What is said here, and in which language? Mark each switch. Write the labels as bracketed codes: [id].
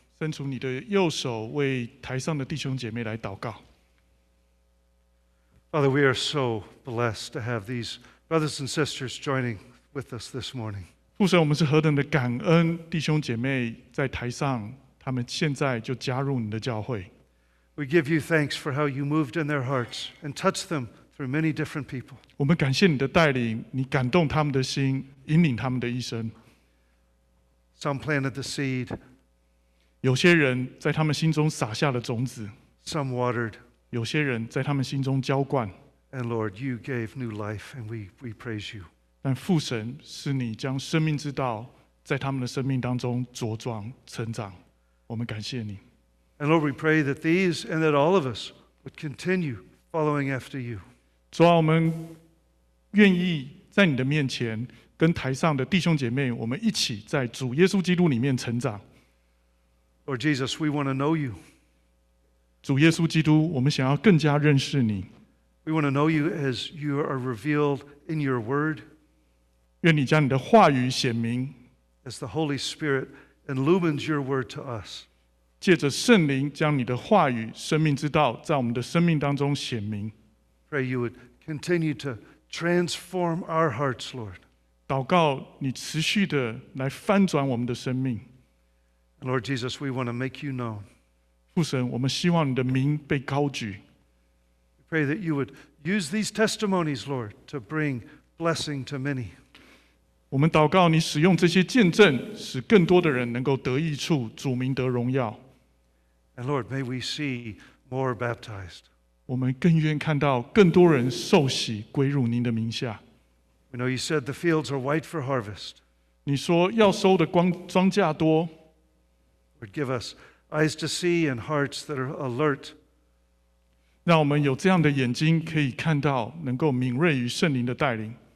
[zh] 伸出你的右手，为台上的弟兄姐妹来祷告。 [en] Father, we are so blessed to have these brothers and sisters joining with us this morning. [zh] 父神，我们是何等的感恩，弟兄姐妹在台上，他们现在就加入你的教会。 [en] We give you thanks for how you moved in their hearts and touched them. For many different people. [zh] 我们感谢你的带领，你感动他们的心，引领他们的一生。 [en] Some planted the seed. [zh] 有些人在他们心中撒下了种子。 [en] Some watered. [zh] 有些人在他们心中浇灌。 [en] And Lord, you gave new life, and we praise you. [zh] 但父神是你将生命之道在他们的生命当中茁壮成长，我们感谢你。 [en] And Lord, we pray that these and that all of us would continue following after you. [zh] 主啊，我们愿意在你的面前跟台上的弟兄姐妹，我们一起在主耶稣基督里面成长。 [en] Lord Jesus, we want to know you. [zh] 主耶稣基督，我们想要更加认识你。 [en] We want to know you as you are revealed in your word. [zh] 愿你将你的话语显明。 [en] As the Holy Spirit illumines your word to us. [zh] 借着圣灵将你的话语、生命之道在我们的生命当中显明。 [en] Pray you would continue to transform our hearts, Lord. [zh] 祷告你持续的来翻转我们的生命。 [en] Lord Jesus, we want to make you known. [zh] 父神，我们希望你的名被高举。 [en] We pray that you would use these testimonies, Lord, to bring blessing to many. [zh] 我们祷告你使用这些见证，使更多的人能够得益处，主名得荣耀。 [en] And Lord, may we see more baptized. [zh] 我们更愿看到更多人受洗归入您的名下。 [en] We know you said the fields are white for harvest. [zh] 你说要收的庄稼多。 [en] Lord, give us eyes to see and hearts that are alert. [zh] 让我们有这样的眼睛可以看到，能够敏锐于圣灵的带领。